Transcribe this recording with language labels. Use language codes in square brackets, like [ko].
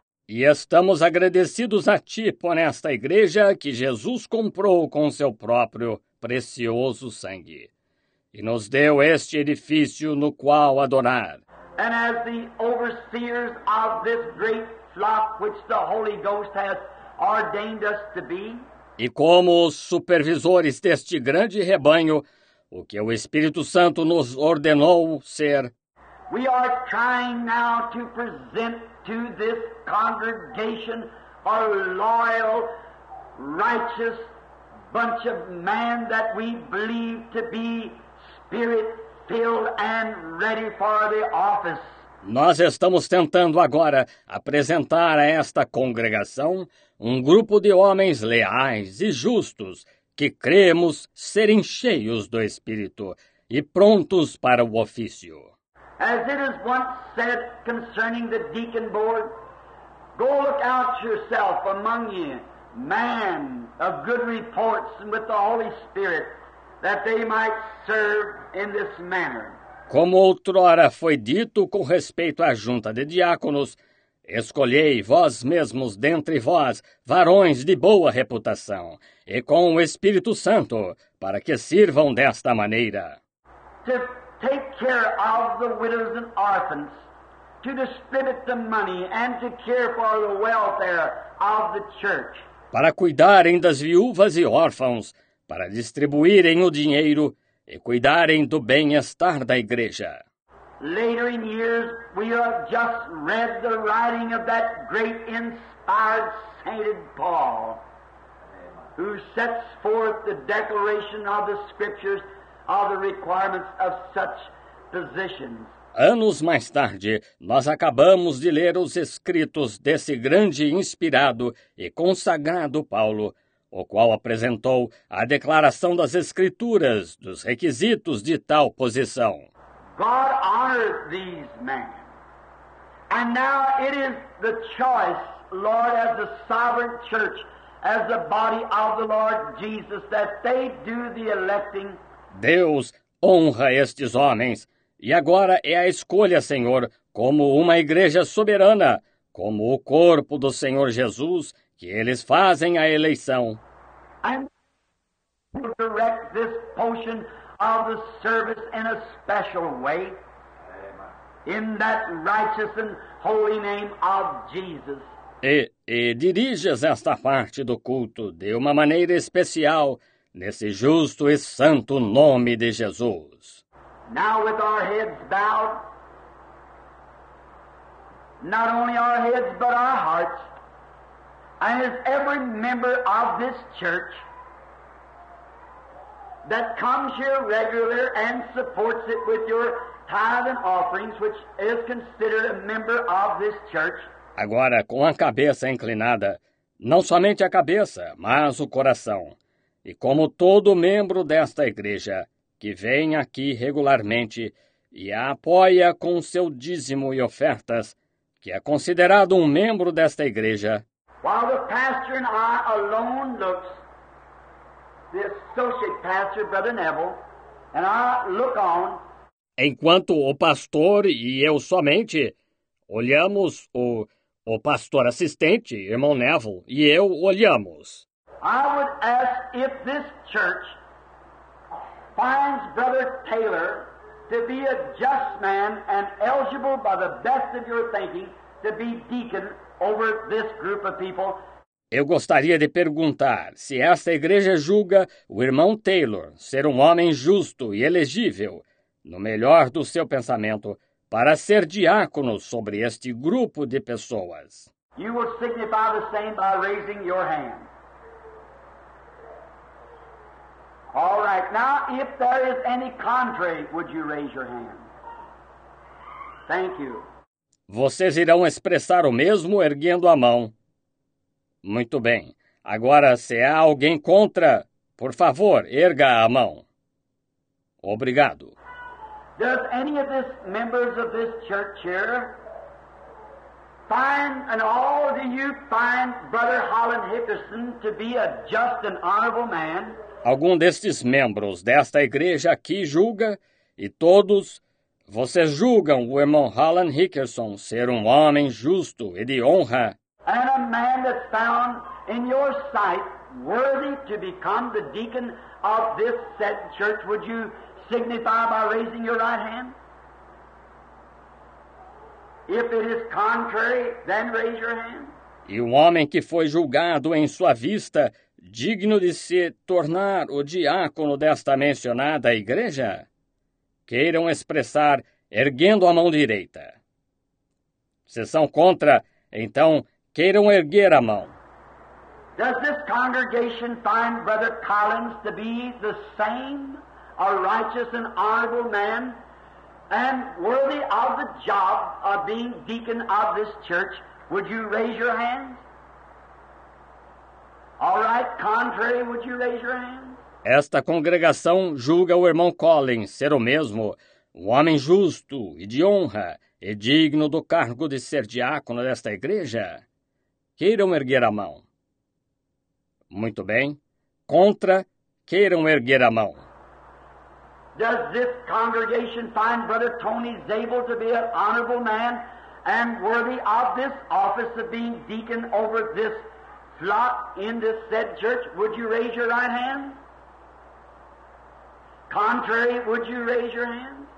[pt] E estamos agradecidos a ti por esta igreja que Jesus comprou com seu próprio precioso sangue. E nos deu este edifício no qual adorar. [en] And as the overseers of this great flock which the Holy Ghost has ordained us to be. [pt] E como os supervisores deste grande rebanho, o que o Espírito Santo nos ordenou ser. [en] We are trying now to present to this congregation a loyal, righteous bunch of men that we believe to be spirit-filled and ready for the office. [pt] Nós estamos tentando agora apresentar a esta congregação um grupo de homens leais e justos que cremos serem cheios do Espírito e prontos para o ofício. [en] As it is once said concerning the deacon board, go look out yourself among you, man of good reports and with the Holy Spirit, that they might serve in this manner. [pt] Como outrora foi dito com respeito à junta de diáconos, escolhei vós mesmos dentre vós varões de boa reputação e com o Espírito Santo para que sirvam desta maneira. [en] Take care of the widows and orphans, to distribute the money and to care for the welfare of the church. [pt] Para cuidarem das viúvas e órfãos, para distribuírem o dinheiro e cuidarem do bem-estar da igreja. [en] Later in years, we have just read the writing of that great inspired sainted Paul. who sets forth the declaration of the scriptures of the requirements of such positions. [pt] Anos mais tarde, nós acabamos de ler os escritos desse grande inspirado e consagrado Paulo, o qual apresentou a declaração das escrituras dos requisitos de tal posição. [en] God honored these men. And now it is the choice, Lord, as the sovereign church, as the body of the Lord Jesus, that they do the electing. [pt] Deus honra estes homens. E agora é a escolha, Senhor, como uma igreja soberana, como o corpo do Senhor Jesus, que eles fazem a eleição. [en] I'm direct this portion of the service in a special way. In that righteous and holy name of Jesus. [pt] E diriges esta parte do culto de uma maneira especial nesse justo e santo nome de Jesus. [en] Now with our heads bowed, not only our heads but our hearts, and as every member of this church that comes here regular and supports it with your tithe and offerings, which is considered a member of this church. [pt] Agora, com a cabeça inclinada, não somente a cabeça, mas o coração, e como todo membro desta igreja que vem aqui regularmente e a apoia com seu dízimo e ofertas, que é considerado um membro desta igreja. [en] While the pastor and I alone looks, the associate pastor, Brother Neville, and I look on. [pt] Enquanto o pastor e eu somente olhamos, o pastor assistente, irmão Neville, e eu olhamos. [en] I would ask if this church finds Brother Taylor to be a just man and eligible by the best of your thinking to be deacon over this group of people. [pt] Eu gostaria de perguntar se esta igreja julga o irmão Taylor ser um homem justo e elegível, no melhor do seu pensamento, para ser diácono sobre este grupo de pessoas. [en] You will signify the same by raising your hand. All right. Now, if there is any contrary, would you raise your hand? Thank you. [pt] Vocês irão expressar o mesmo erguendo a mão. Muito bem. Agora, se há alguém contra, por favor, erga a mão. Obrigado. [en] Does any of these members of this church here find, and all of you find, Brother Holland Hickerson to be a just and honorable man? [pt] Algum destes membros desta igreja aqui julga, e todos, vocês julgam o irmão Holland Hickerson ser um homem justo e de honra? [en] And a man that's found in your sight worthy to become the deacon of this said church, would you signify by raising your right hand? If it is contrary, then raise your hand. [pt] E um homem que foi julgado em sua vista digno de se tornar o diácono desta mencionada igreja, queiram expressar erguendo a mão direita. Se são contra, então queiram erguer a mão. [en] Does this congregation find Brother Collins to be the same, a righteous and honorable man, and worthy of the job of being deacon of this church? Would you raise your hand? All right, contrary, would you raise your hand? [pt] Esta congregação julga o irmão Collins ser o mesmo, um homem justo e de honra, e digno do cargo de ser diácono desta igreja? Queiram erguer a mão. Muito bem. Contra, queiram erguer a mão. [en] Does this congregation find Brother Tony Zabel to be an honorable man and worthy of this office of being deacon over this flock in this said church? Would you raise your right hand? Contrary, would you raise your hand?